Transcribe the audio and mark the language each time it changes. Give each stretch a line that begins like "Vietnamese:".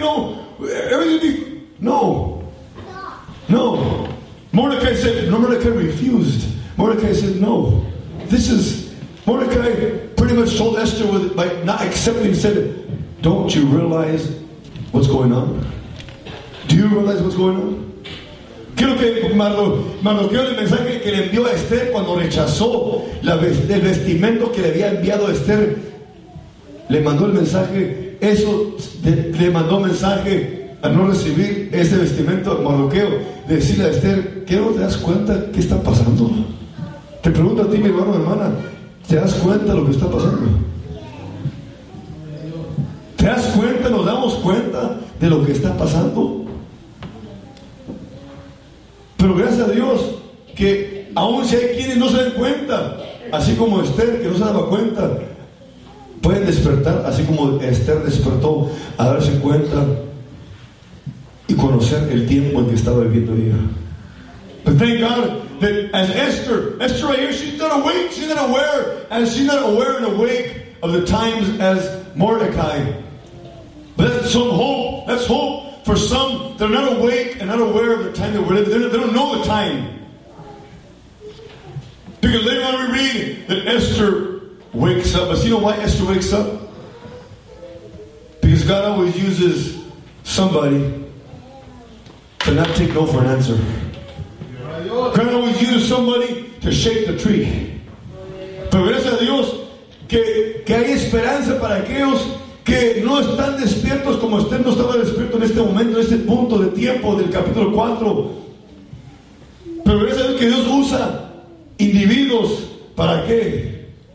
English: No, everything's going to be... No. No. Mordecai refused. Mordecai said, no. Mordecai pretty much told Esther by not accepting, said, don't you realize what's going on? Do you realize what's going on?
Spanish: Quiero que Mardoqueo, el mensaje que le envió a Esther cuando rechazó el vestimento que le había enviado a Esther, le mandó el mensaje, eso le mandó mensaje a no recibir ese vestimento a Mardoqueo, decirle a Esther, ¿qué no te das cuenta qué está pasando? Te pregunto a ti, mi hermano, hermana, ¿te das cuenta lo que está pasando? ¿Te das cuenta, nos damos cuenta de lo que está pasando? Pero gracias a Dios que aún si hay quienes no se dan cuenta, así como Esther que no se daba cuenta, pueden despertar así como Esther despertó, a darse cuenta y conocer el tiempo en que estaba viviendo ella.
English: But thank God that as Esther right here, she's not aware and awake of the times as Mordecai. But that's hope for some that are not awake and not aware of the time that we're living. They don't know the time. Because later on we read that Esther wakes up. But you know why Esther wakes up? Because God always uses somebody to not take no for an answer. God always uses somebody to shake the tree.
Spanish: Pero gracias a Dios que hay esperanza para aquellos que no están despiertos como Esther no estaba despierto en este momento, en este punto de tiempo del capítulo 4. Pero es el que Dios usa individuos, ¿para qué?